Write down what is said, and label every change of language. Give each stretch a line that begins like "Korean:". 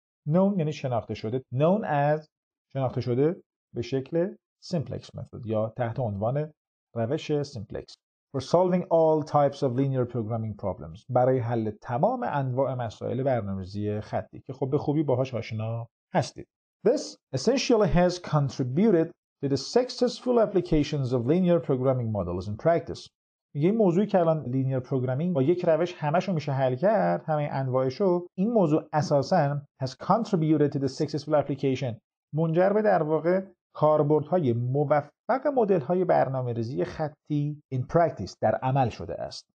Persian: Known یعنی شناخته شده، known as شناخته شده به شکل simplex method یا تحت عنوان روش simplex
English: for solving all types of linear programming problems،
Persian: برای حل تمام انواع مسائل برنامه‌ریزی خطی که خب به خوبی باهاش آشنا هستید.
English: This essentially has contributed to the successful applications of linear programming models in practice.
Persian: یه موضوعی که الان لینیر پروگرامینگ با یک روش همش رو میشه حل کرد، همه انواعش رو، این موضوع اساساً
English: has contributed to the successful application،
Persian: منجر به در واقع کاربردهای موفق مدل‌های برنامه‌ریزی خطی
English: in practice،
Persian: در عمل شده است.